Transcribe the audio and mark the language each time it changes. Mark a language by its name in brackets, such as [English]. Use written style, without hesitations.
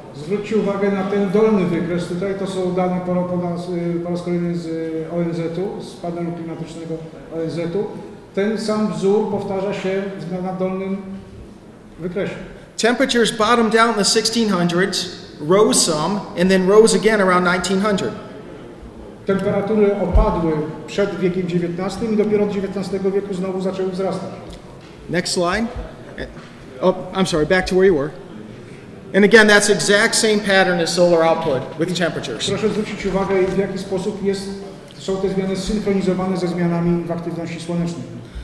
[Polish] Zwróćcie uwagę na ten dolny wykres. Tutaj to są dane po raz kolejny z ONZ-u, z panelu klimatycznego ONZ-u. Ten sam wzór powtarza się na dolnym wykresie. [English] Temperatures bottomed out in the 1600s, rose some, and then rose again around 1900. [Polish] Temperatury opadły przed wiekiem XIX i dopiero od XIX wieku znowu zaczęły wzrastać. [English] Next slide. Oh, I'm sorry, back to where you were. And again, that's exact same pattern as solar output with the temperatures. [Polish] Proszę zwrócić uwagę, w jaki sposób są te zmiany zsynchronizowane ze zmianami w aktywności słonecznej.